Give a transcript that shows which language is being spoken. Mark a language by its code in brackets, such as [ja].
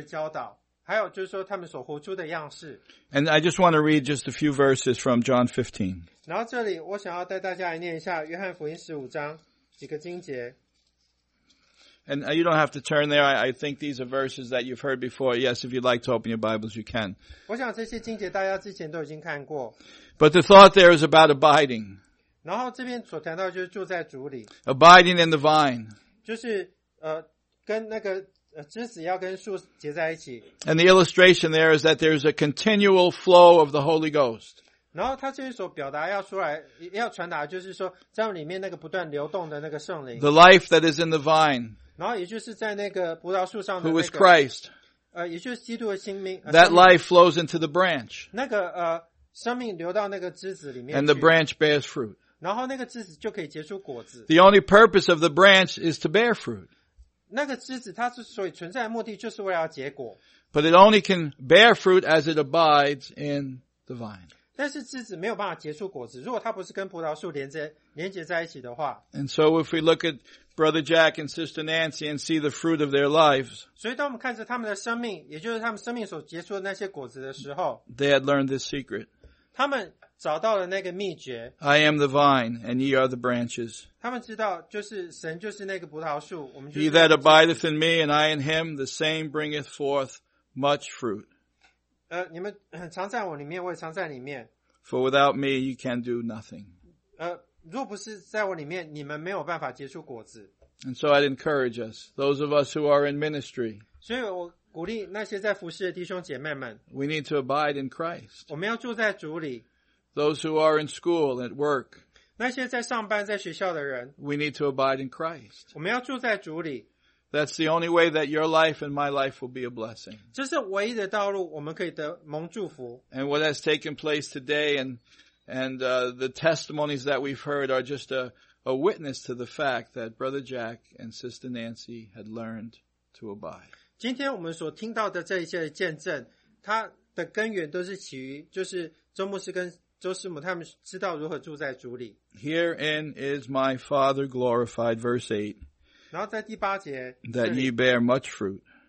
[zh] 我们必须要跟随着他们给我们的教导，还有就是说他们所活出的样式。 [en] And I just want to read just a few verses from John 15. [zh] 然后这里我想要带大家来念一下约翰福音15章几个经节。 [en] And you don't have to turn there. I think these are verses that you've heard before. Yes, if you'd like to open your Bibles, you can. But the thought there is about abiding. Abiding in the vine. [zh] 就是跟那个枝子要跟树结在一起。 [en] And the illustration there is that there is a continual flow of the Holy Ghost. [zh] 然后他这边所表达要出来要传达就是说在里面那个不断流动的那个圣灵 [en] The life that is in the vine [zh] 然后也就是在那个葡萄树上的、那个、 [en] Who is Christ [zh] 也就是基督的心命 [en] That life flows into the branch [zh] 那个生命流到那个枝子里面 [en] And the branch bears fruit [zh] 然后那个枝子就可以结出果子 [en] The only purpose of the branch is to bear fruit [zh] 那个枝子它之所以存在的目的就是为了要结果 [en] But it only can bear fruit as it abides in the vine [zh] 但是枝子没有办法结出果子，如果它不是跟葡萄树连接在一起的话。 [en] And so if we look at Brother Jack and Sister Nancy and see the fruit of their lives, [zh] 所以当我们看着他们的生命，也就是他们生命所结出的那些果子的时候 [en] ，They had learned this secret. [zh] 他们找到了那个秘诀。 [en] I am the vine, and ye are the branches. [zh] 他们知道，就是神就是那个葡萄树，我们。 [en] He that abideth in me, and I in him, the same bringeth forth much fruit. [zh] 你们藏在我里面，我也藏在里面。 [en] For without me, you can do nothing. [zh] 若不是在我里面，你们没有办法结出果子。 [en] And so I'd encourage us, those of us who are in ministry. [zh] 所以我鼓励那些在服事的弟兄姐妹们。 [en] We need to abide in Christ. [zh] 我们要住在主里。 [en] Those who are in school at work. [zh] 那些在上班在学校的人。 [en] We need to abide in Christ. [zh] 我们要住在主里。 [en] That's the only way that your life and my life will be a blessing. [zh] 这是唯一的道路，我们可以得蒙祝福。 [en] And what has taken place today and the testimonies that we've heard are just a witness to the fact that Brother Jack and Sister Nancy had learned to abide. [zh] 今天我们所听到的这一切的见证，它的根源都是起于就是周牧师跟周师母他们知道如何住在主里。 [en] Herein is my Father glorified, verse 8. [zh] 然后在第八节 [en] That ye bear much fruit.